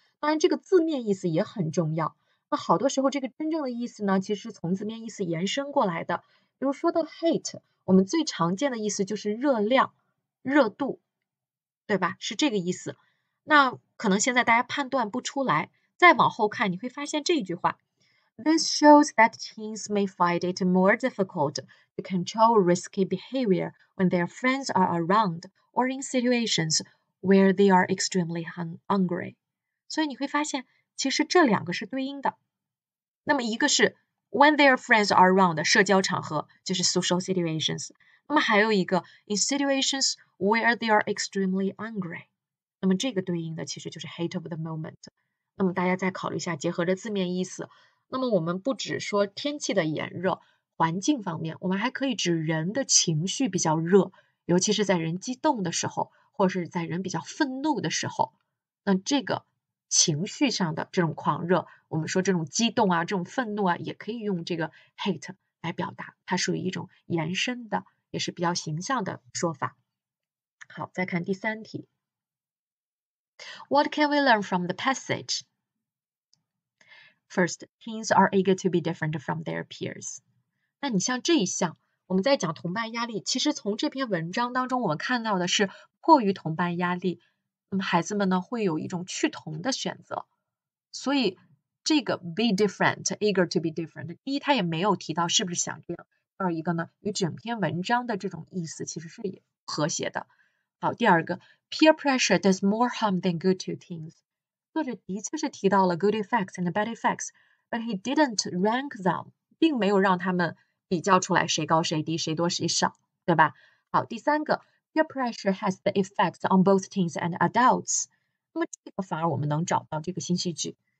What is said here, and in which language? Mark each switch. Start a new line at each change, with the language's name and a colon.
Chinese: 当然，这个字面意思也很重要。那好多时候，这个真正的意思呢，其实从字面意思延伸过来的。比如说到 heat，我们最常见的意思就是热量、热度，对吧？是这个意思。那可能现在大家判断不出来，再往后看，你会发现这一句话。
English: This shows that teens may find it more difficult to control risky behavior when their friends are around or in situations where they are extremely hungry。
Chinese: 所以你会发现，其实这两个是对应的。那么一个是
English: when their friends are around，
Chinese: 社交场合就是
English: social situations。
Chinese: 那么还有一个
English: in situations where they are extremely hungry。
Chinese: 那么这个对应的其实就是
English: heat of the moment。
Chinese: 那么大家再考虑一下，结合着字面意思。那么我们不只说天气的炎热，环境方面，我们还可以指人的情绪比较热，尤其是在人激动的时候，或是在人比较愤怒的时候，那这个情绪上的这种狂热，我们说这种激动啊，这种愤怒啊，也可以用这个 heat 来表达，它属于一种延伸的，也是比较形象的说法。好，再看第三题，
English: What can we learn from the passage？ First, teens are eager to be different from their peers。
Chinese: 那你像这一项，我们在讲同伴压力，其实从这篇文章当中，我们看到的是迫于同伴压力，孩子们呢会有一种趋同的选择。所以这个
English: be different, eager to be different，
Chinese: 第一他也没有提到是不是想这样，第二一个呢，与整篇文章的这种意思其实是也和谐的。好，第二个，
English: peer pressure does more harm than good to teens。
Chinese: 作者的确是提到了
English: good effects and bad effects， but he didn't rank them，
Chinese: 并没有让他们比较出来谁高谁低，谁多谁少，对吧？好，第三个，
English: peer pressure has the effects on both teens and adults。
Chinese: 那么这个反而我们能找到这个新戏剧。